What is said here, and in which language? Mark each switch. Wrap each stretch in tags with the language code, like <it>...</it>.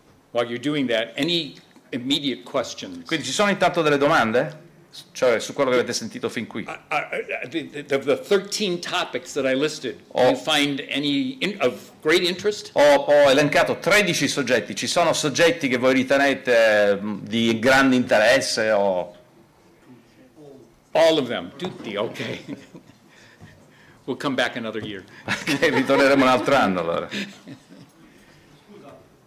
<en>While you're doing that, any immediate questions?</en> <it>Quindi ci sono intanto delle domande? Cioè su quello che avete sentito fin qui?</it> <en>The 13 topics that I listed, do you find any of great interest?</en> <it>Ho elencato 13 soggetti, ci sono soggetti che voi ritenete di grande interesse o...</it> <en>All of them, tutti, ok. We'll come back another year.</en> <it>Okay, ritorneremo un altro anno allora. Scusa.</it>